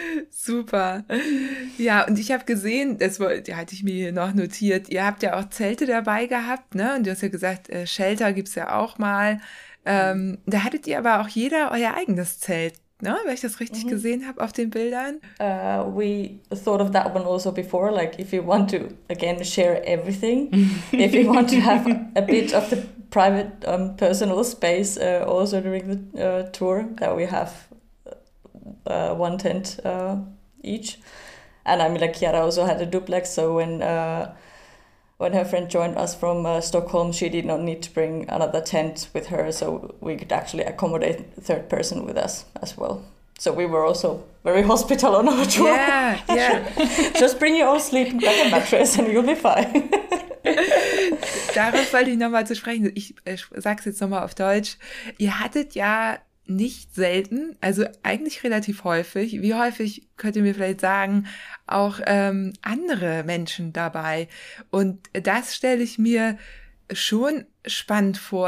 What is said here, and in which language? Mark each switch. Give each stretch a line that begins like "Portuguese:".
German: Super. Ja, und ich habe gesehen, hatte ich mir hier noch notiert, ihr habt ja auch Zelte dabei gehabt, ne? Und du hast ja gesagt, Shelter gibt's ja auch mal. Da hattet ihr aber auch jeder euer eigenes Zelt, ne? Wenn ich das richtig gesehen habe auf den Bildern.
English: We thought of that one also before, like if you want to, again, share everything, if you want to have a bit of the private personal space also during the tour that we have. One tent each, and I mean, like Chiara also had a duplex, so when her friend joined us from Stockholm, she did not need to bring another tent with her, so we could actually accommodate a third person with us as well. So we were also very hospital on our tour. Yeah. Just bring your own sleeping bag and mattress and you'll be fine.
German: Darauf wollte ich nochmal zu sprechen. Ich sag's jetzt nochmal auf Deutsch. Ihr hattet ja nicht selten, also eigentlich relativ häufig, wie häufig könnt ihr mir vielleicht sagen, auch andere Menschen dabei. Und das stelle ich mir schon spannend vor.